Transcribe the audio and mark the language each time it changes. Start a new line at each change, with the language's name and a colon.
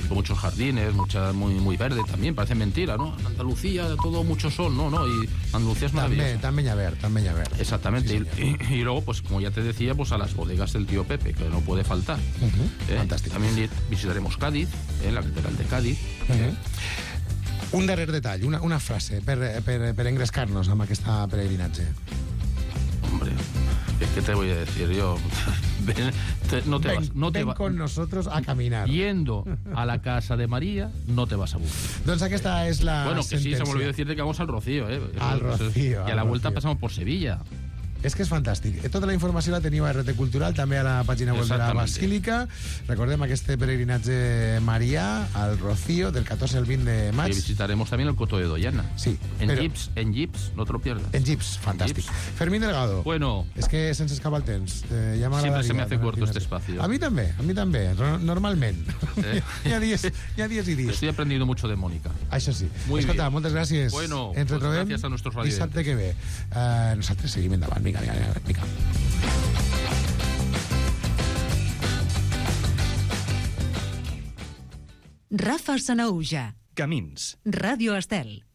Spanish: con muchos jardines, mucha, muy, muy verde también. Parece mentira, ¿no? Andalucía, todo mucho sol, ¿no? ¿No? Y Andalucía es maravillosa. También, también a ver, también a ver. Exactamente. Sí, y luego, pues como ya te decía, pues a las bodegas del tío Pepe, que no puede faltar. Uh-huh. Fantástico. También visitaremos Cádiz, la catedral de Cádiz. Uh-huh.
Catalan: Un darrer detall, una frase per engrescar-nos amb aquesta peregrinatge.
Spanish: Hombre, es que te voy a decir yo. No te vas. Con nosotros a caminar. Yendo a la casa de María, no te vas a aburrir.
Catalan: Entonces, aquesta es la
Spanish: Bueno, que sentencia. Sí, se me olvidó decirte que vamos al Rocío, ¿eh? Al Rocío. Y a la vuelta pasamos por Sevilla.
Catalan: És que és fantàstic. Tota la informació la teniu a RT Cultural, també a la pàgina web de la Basílica. Recordem aquest peregrinatge marià al Rocío del 14 al 20 de maig.
Spanish: I visitaremos també el Coto de Doñana. Sí. En jeeps, no te lo pierdas.
Catalan: En jeeps, fantàstic. Fermín Delgado. Bueno. És que se'ns escapa el temps. Ja m'agradaria.
Spanish: Sempre se me hace corto este espacio.
Catalan: A mi també, normalment. Ja dies.
Spanish: Estoy aprendiendo mucho de Mónica.
Catalan: Això sí.
Spanish: Muy
Catalan: Escolta,
Spanish: bien.
Catalan: Moltes gràcies. Bueno, ens retrobem. Gràcies a
Spanish: nuestros radiantes.
Catalan: Dissabte que ve. Nosaltres seguim endavant. Vinga. Rafa Sanahuja. Camins. Ràdio Estel.